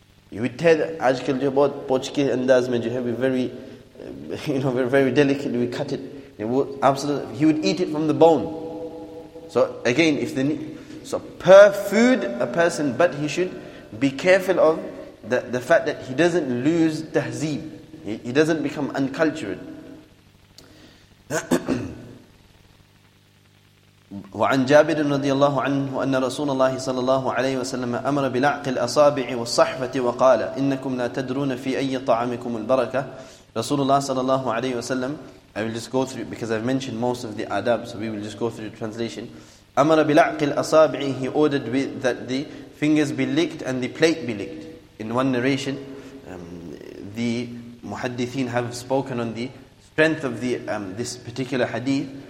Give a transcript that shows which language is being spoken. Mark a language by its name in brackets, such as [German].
[English] You would tell, [Urdu] aajkal jo bahut pochke andaaz mein jo hai, [English] we're very delicate, we cut it. He would eat it from the bone. So again, if the so per food a person, but he should be careful of the fact that he doesn't lose tahzeeb. He doesn't become uncultured. [Arabic] وعن جابر رضي الله عنه أن رسول الله صلى الله عليه وسلم أمر بلعق الأصابع والصحفة وقال إنكم لا تدرون في أي طعامكم البركة. [English] رسول الله صلى الله عليه وسلم, I will just go through because I've mentioned most of the adab, so we will just go through the translation. [Arabic] أمر بلعق الأصابع, [English] he ordered that the fingers be licked and the plate be licked. In one narration, the muhaddithin have spoken on the strength of the this particular hadith.